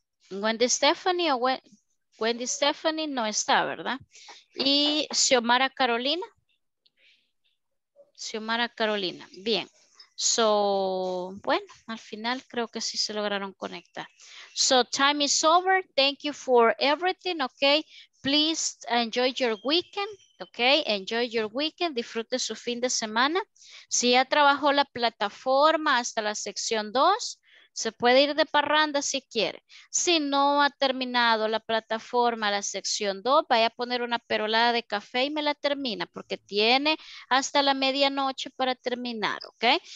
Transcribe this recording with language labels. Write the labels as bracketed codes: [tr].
[es] Wendy Stephanie, Wendy Stephanie no está, ¿verdad? Y Xiomara Carolina. Xiomara Carolina, bien. So, bueno, al final creo que sí se lograron conectar. [en] So, time is over. Thank you for everything, okay? Please enjoy your weekend. Okay, enjoy your weekend, [es] disfrute su fin de semana. Si ya trabajó la plataforma hasta la sección 2, se puede ir de parranda si quiere. Si no ha terminado la plataforma, la sección 2, vaya a poner una perolada de café y me la termina, porque tiene hasta la medianoche para terminar, ¿ok?